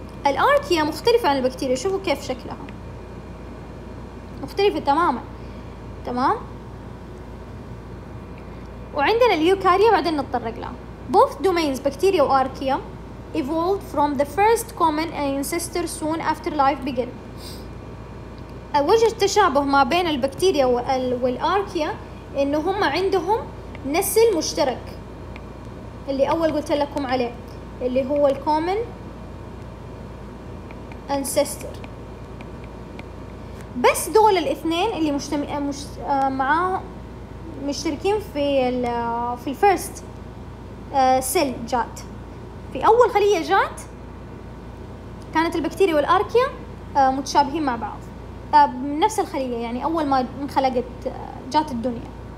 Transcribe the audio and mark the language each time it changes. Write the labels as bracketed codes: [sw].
[ar] الأركيا مختلفة عن البكتيريا، شوفوا كيف شكلها مختلفة تماما، تمام. وعندنا اليوكاريا بعدين نتطرق لها. [en] Both domains bacteria and archaea evolved from the first common ancestor soon after life began. [ar] وجه التشابه ما بين البكتيريا والأركيا إنه هم عندهم نسل مشترك اللي أول قلت لكم عليه اللي هو الكومن أنسيستر، بس دول الاثنين اللي مشتركين في الفيرست سيل جات، في أول خلية جات كانت البكتيريا والأركيا متشابهين مع بعض نفس الخلية، يعني أول ما انخلقت جات الدنيا.